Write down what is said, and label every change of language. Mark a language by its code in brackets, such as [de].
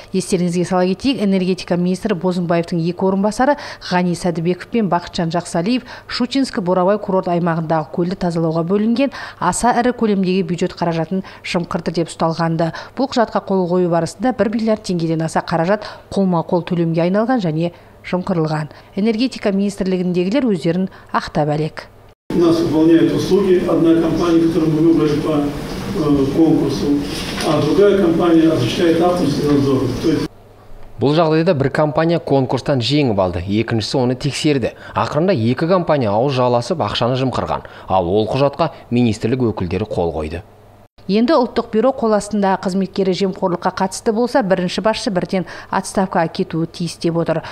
[kk] Естеріңізге сала кетейік, энергетика министрі Бозымбаевтың екі орынбасары Ғани Сәдібеков пен Бақытжан Жақсалиев Шучинский Боровой курорт аймағындағы көлді тазалауға бөлінген аса ірі көлемдегі бюджет қаражатын шымқырды деп ұсталғанды. Бұл құжатқа қол қою барысында 1 миллиард теңгеден аса қаражат қолма-қол төлемге айналған және шымқырылған. Энергетика министрлігіндегілер өздерін ақтап әлек. [ru] Нас выполняет услуги одна компания, которую мы выбрали по конкурсу, а другая компания осуществляет авторский надзор. [kk] Бұл жағдайда бір компания конкурстан жеңіп алды, екіншісі оны тексерді. Ақырында екі компания ауыз жаласып ақшаны жымқырған, ал ол құжатқа министрлік өкілдері қол қойды. Енді ұлттық бюро қоластында қызметкері жемқорлыққа қатысты болса, бірінші басшы бірден отставкаға кетуі тиіс деп отыр.